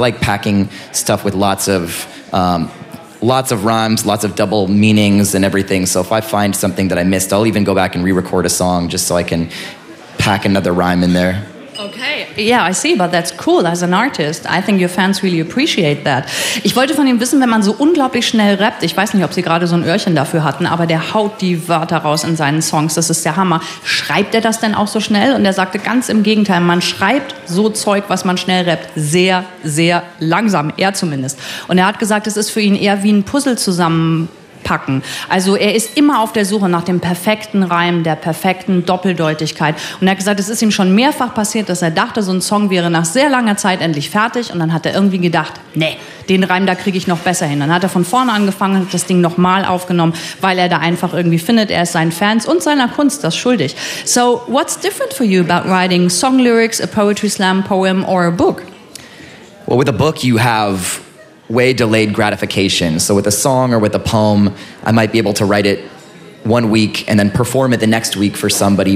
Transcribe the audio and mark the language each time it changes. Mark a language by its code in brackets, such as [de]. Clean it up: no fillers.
[en] I like packing stuff with lots of rhymes, lots of double meanings and everything. So if I find something that I missed, I'll even go back and re-record a song just so I can pack another rhyme in there. Okay, yeah, I see, but that's cool as an artist. I think your fans really appreciate that. [de] Ich wollte von ihm wissen, wenn man so unglaublich schnell rappt, ich weiß nicht, ob sie gerade so ein Öhrchen dafür hatten, aber der haut die Wörter raus in seinen Songs, das ist der Hammer. Schreibt er das denn auch so schnell? Und er sagte ganz im Gegenteil, man schreibt so Zeug, was man schnell rappt, sehr, sehr langsam, er zumindest. Und er hat gesagt, es ist für ihn eher wie ein Puzzle zusammenpacken. Also er ist immer auf der Suche nach dem perfekten Reim, der perfekten Doppeldeutigkeit. Und er hat gesagt, es ist ihm schon mehrfach passiert, dass er dachte, so ein Song wäre nach sehr langer Zeit endlich fertig. Und dann hat er irgendwie gedacht, nee, den Reim, da kriege ich noch besser hin. Dann hat er von vorne angefangen, hat das Ding nochmal aufgenommen, weil er da einfach irgendwie findet, er ist seinen Fans und seiner Kunst das schuldig. [en] So, what's different for you about writing song lyrics, a poetry slam poem or a book? Well, with a book you have way delayed gratification. So with a song or with a poem, I might be able to write it 1 week and then perform it the next week for somebody.